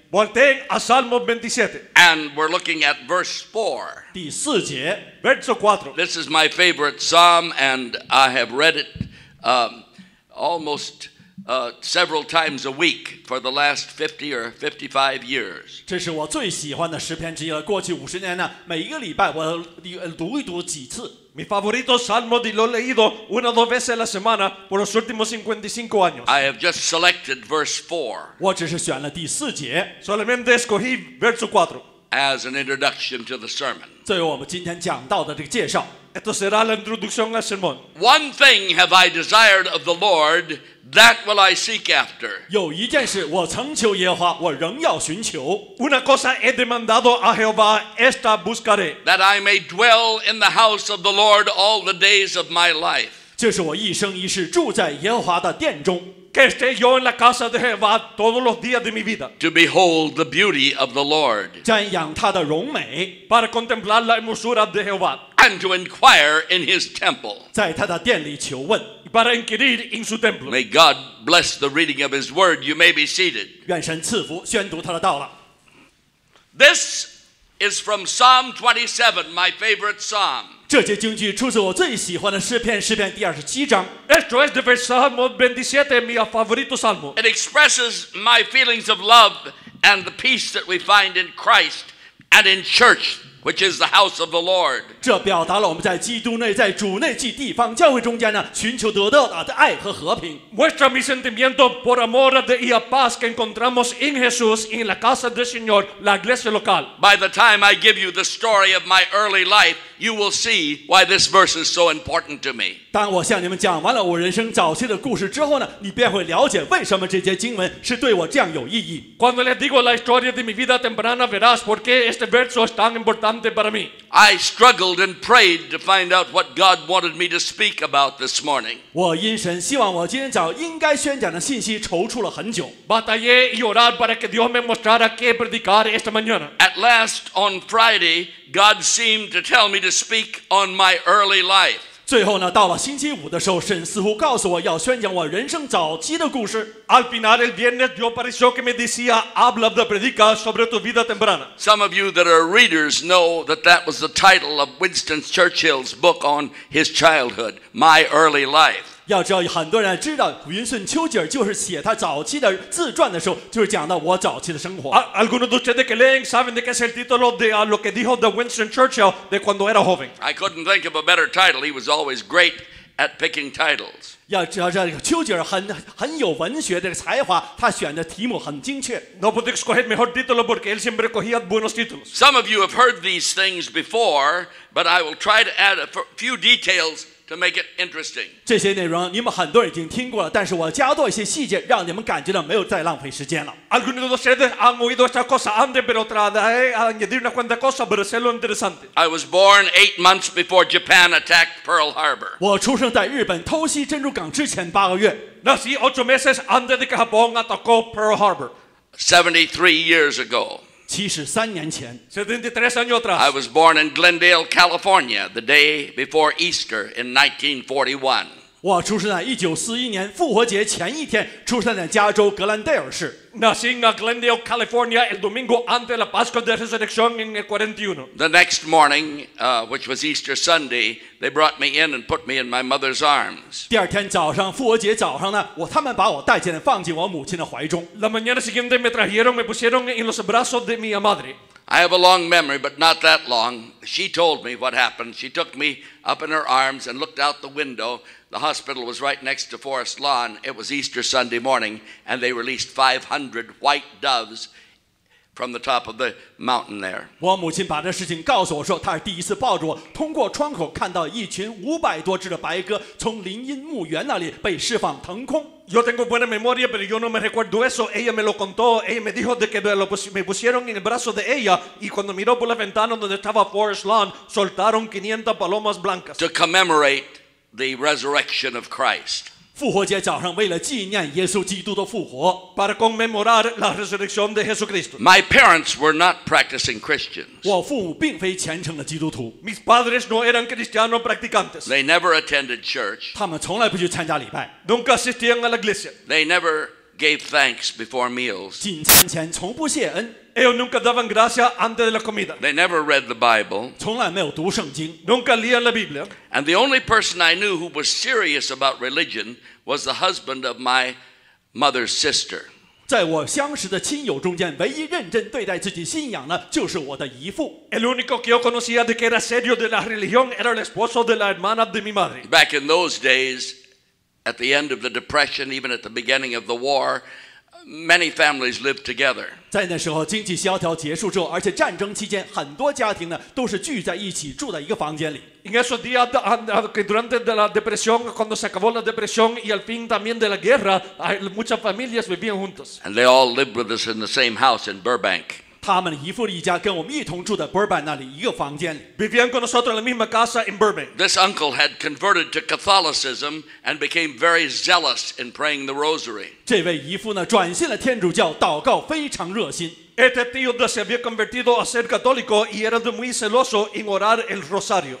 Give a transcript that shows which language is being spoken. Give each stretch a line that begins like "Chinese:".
Spanish: Volteen a Salmo 27.
English: And we're looking at verse 4.
Chinese: 第四节,
Spanish: verso 4.
English: This is my favorite psalm, and I have read it almost several times a week for the last 50 or 55 years.
Chinese: 这是我最喜欢的诗篇之一，过去五十年呢，每一个礼拜我读一读几次。
Spanish: Mi favorito salmo di lo leído una o dos veces a la semana por los últimos 55 años.
English: I have just selected verse 4.
Chinese: 我只是选了第四节。
Spanish: Solamente escogí verso 4.
English: As an introduction to the sermon.
Chinese: 作为我们今天讲到的这个介绍。
Spanish: Esto será la introducción al sermón.
English: One thing have I desired of the Lord, that will I seek after.
Chinese: 有一件事我曾求耶和华，我仍要寻求。
Spanish: Una cosa he demandado a Jehová, esta buscaré.
English: That I may dwell in the house of the Lord all the days of my life.
Chinese: 就是我一生一世住在耶和华的殿中。
Spanish: Que esté yo en la casa de Jehová todos los días de mi vida.
English: To behold the beauty of the Lord.
Chinese: 瞻仰他的荣美。
Spanish: Para contemplar la hermosura de Jehová.
English: And to inquire in his temple.
Chinese: 在他的殿里求问。
Spanish: Para inquirir en su templo.
English: May God bless the reading of his word. You may be seated.
Chinese: 愿神赐福，宣读他的道了。
English: This is from Psalm 27, my favorite psalm.
Chinese: 这节经句出自我最喜欢的诗篇，诗篇第二十七章。
Spanish: Esto es de versalmo 27, mi favorito salmo.
English: It expresses my feelings of love and the peace that we find in Christ and in church, which is the house of the Lord.
Chinese: 这表达了我们在基督内，在主内即地方教会中间呢，寻求得到的爱和和平。
Spanish: Muestra mi sentimiento por amor de y a paz que encontramos en Jesús en la casa del Señor, la iglesia local.
English: By the time I give you the story of my early life. You will see why this verse is so important to me.
Chinese: 当我向你们讲完了我人生早期的故事之后呢，你便会了解为什么这节经文是对我这样有意义。
Spanish: Cuando le digo la historia de mi vida temprana, verás por qué este verso es tan importante para mí.
English: I struggled and prayed to find out what God wanted me to speak about this morning.
Chinese: 我因神希望我今天早应该宣讲的信息踌躇了很久。
Spanish: Batallé y oré para que Dios me mostrara qué predicar esta mañana.
English: At last on Friday. God seemed to tell me to speak on my early life.
Chinese: 最后呢，到了星期五的时候，神似乎告诉我要宣讲我人生早期的故事。
Spanish: Al final el viernes yo pareció que me decía habla de predica sobre tu vida temprana.
English: Some of you that are readers know that that was the title of Winston Churchill's book on his childhood, My Early Life.
Chinese: 要知道，很多人知道云顺丘吉尔就是写他早期的自传的时候，就是讲到我早期的生活。
Spanish: Algunos de ustedes que leen saben de qué es el título de lo que dijo de Winston Churchill de cuando era joven.
English: I couldn't think of a better title. He was always great at picking titles.
Chinese: 要知道，这个丘吉尔很有文学的才华，他选的题目很精确。
Spanish: No pude escoger mejor título porque él siempre cogía buenos títulos.
English: Some of you have heard these things before, but I will try to add a few details. To make it interesting.
Chinese: 这些内容你们很多人已经听过了，但是我加多一些细节，让你们感觉到没有再浪费时间了。
Spanish: Algunos de ustedes han oído esta cosa antes, pero trataré de añadir una cuanta cosa para hacerlo interesante.
English: I was born 8 months before Japan attacked Pearl Harbor.
Chinese: 我出生在日本偷袭珍珠港之前八个月。
Spanish: Nací 8 meses antes de que Japón atacó Pearl Harbor.
English: 73 years ago. 73 years ago.
Spanish: 73 años atrás.
English: I was born in Glendale, California, the day before Easter in 1941.
Chinese: 我出生在1941年复活节前一天，出生在加州格兰戴尔市。
Spanish: Nací en Glendale, California, el domingo antes de la Pascua de Resurrección en el 41.
English: The next morning, which was Easter Sunday, they brought me in and put me in my mother's arms.
Chinese: 第二天早上，复活节早上呢，他们把我带进来，放进我母亲的怀中。
Spanish: La mañana siguiente me trajeron, me pusieron en los brazos de mi madre.
English: I have a long memory, but not that long. She told me what happened. She took me up in her arms and looked out the window. The hospital was right next to Forest Lawn. It was Easter Sunday morning, and they released 500 white doves from the top of the mountain there.
Chinese: 我母亲把这事情告诉我说，她是第一次抱着我，通过窗口看到一群500多只的白鸽从林荫墓园那里被释放腾空。
Spanish: Yo tengo buena memoria, pero yo no me recuerdo eso. Ella me lo contó. Ella me dijo de que me pusieron en el brazo de ella, y cuando miró por la ventana donde estaba Forest Lawn, soltaron 500 palomas blancas.
English: To commemorate. The resurrection of Christ.
Chinese: 复活节早上，为了纪念耶稣基督的复活。
Spanish: Para conmemorar la resurrección de Jesucristo.
English: My parents were not practicing Christians.
Chinese: 我父母并非虔诚的基督徒。
Spanish: Mis padres no eran cristianos practicantes.
English: They never attended church.
Chinese: 他们从来不去参加礼拜。
Spanish: Nunca asistían a la iglesia.
English: They never gave thanks before meals.
Chinese: 进餐前从不谢恩。
Spanish: Ellos nunca daban gracias antes de la comida.
English: They never read the Bible.
Chinese: 从来没有读圣经。
Spanish: Nunca leían la Biblia.
English: And the only person I knew who was serious about religion was the husband of my mother's sister.
Chinese: 在我相识的亲友中间，唯一认真对待自己信仰的，就是我的姨父。
Spanish: El único que yo conocía de que era serio de la religión era el esposo de la hermana de mi madre.
English: Back in those days, at the end of the Depression, even at the beginning of the war, many families lived together.
Chinese: 在那时候，经济萧条结束之后，而且战争期间，很多家庭呢都是聚在一起，住在一个房间里。
Spanish: En esos días, durante la depresión, cuando se acabó la depresión y al fin también de la guerra, muchas familias vivían juntos.
English: And they all lived with us in the same house in Burbank.
Chinese: 他们姨父一家跟我们一同住在 Burbank 那里一个房间里。
Spanish: Vivían con nosotros en la misma casa en Burbank.
English: This uncle had converted to Catholicism and became very zealous in praying the rosary.
Chinese: 这位姨父呢，转信了天主教，祷告非常热心。
Spanish: Este tío se había convertido a ser católico y era muy celoso en orar el rosario.